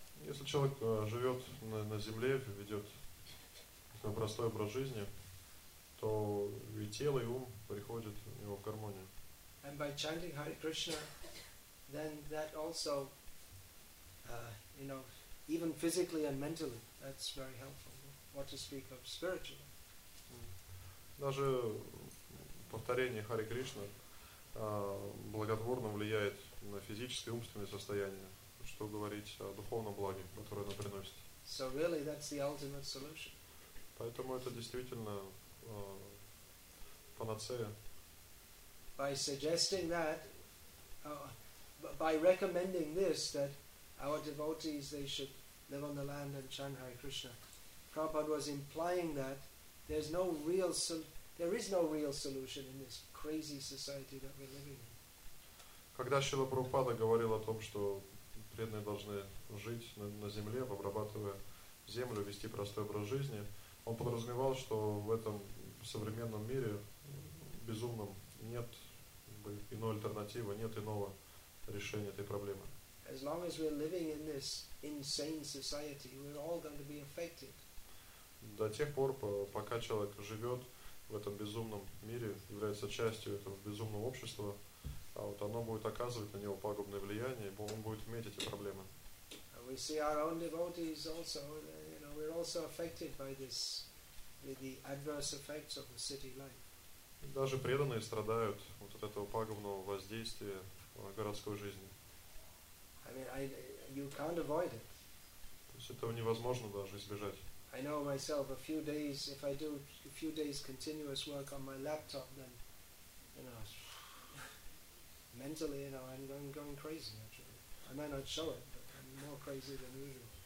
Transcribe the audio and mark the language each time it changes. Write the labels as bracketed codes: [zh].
[ru] Если человек живет на земле, ведет такой простой образ жизни, то и тело, и ум приходят у него в гармонию. [en] And by chanting Hare Krishna, then that also, you know, even physically and mentally, that's very helpful. What to speak of spiritually. [ru] Даже повторение Hare Krishna благотворно влияет на физическое и умственное состояние, что говорить о духовном благе, которое оно приносит. [en] So really, that's the ultimate solution. [ru] Поэтому это действительно панацея. [en] By suggesting that, by recommending this, that our devotees, they should live on the land and chant Hare Krishna, Prabhupada was implying that there is no real solution in this crazy society that we're living in. [ru] Когда Шрила Прабхупада говорил о том, что преданные должны жить на земле, обрабатывая землю, вести простой образ жизни, он подразумевал, что в этом современном мире безумном нет иной альтернативы, нет иного решения этой проблемы. [en] As long as we're living in this insane society, we're all going to be affected. [ru] До тех пор, пока человек живет в этом безумном мире, является частью этого безумного общества, а вот оно будет оказывать на него пагубное влияние, и он будет иметь эти проблемы. [en] We see our own devotees also, you know, we're also affected by this, the adverse effects of the city life. [ru] Даже преданные страдают вот от этого пагубного воздействия городской жизни. [en] I mean, you can't avoid it. [ru] То есть этого невозможно даже избежать. [en] I know myself, a few days, if I do a few days continuous work on my laptop, then, you know, mentally, you know, I'm going crazy, actually. I might not show it, but I'm more crazy than usual.